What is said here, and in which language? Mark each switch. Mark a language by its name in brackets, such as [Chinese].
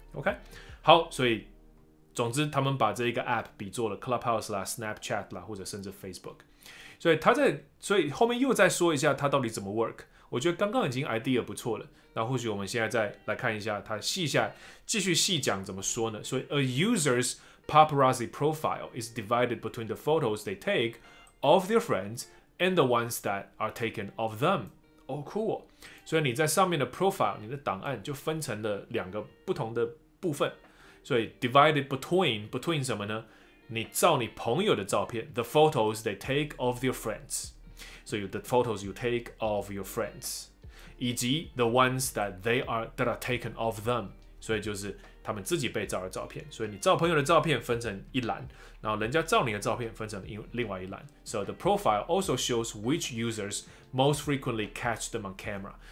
[Chinese] OK， 好，所以总之他们把这一个 App 比作了 Clubhouse 啦、Snapchat 啦，或者甚至 Facebook。所以后面又再说一下他到底怎么 work。我觉得刚刚已经 idea 不错了，那或许我们现在再来看一下他继续细讲怎么说呢？所以 [English] a user's paparazzi profile is divided between the photos they take of their friends and the ones that are taken of them. Oh, cool. [Chinese] 所以你在上面的 profile， 你的档案就分成了两个不同的部分。所以 divided between 什么呢？你照你朋友的照片 ， [English] the photos they take of their friends。 So the photos you take of your friends， [Chinese] 以及 [English] the ones that are taken of them， [Chinese] 所以就是他们自己被照的照片。所以你照朋友的照片分成一栏，然后人家照你的照片分成另外一栏。 [English] So the profile also shows which users most frequently catch them on camera。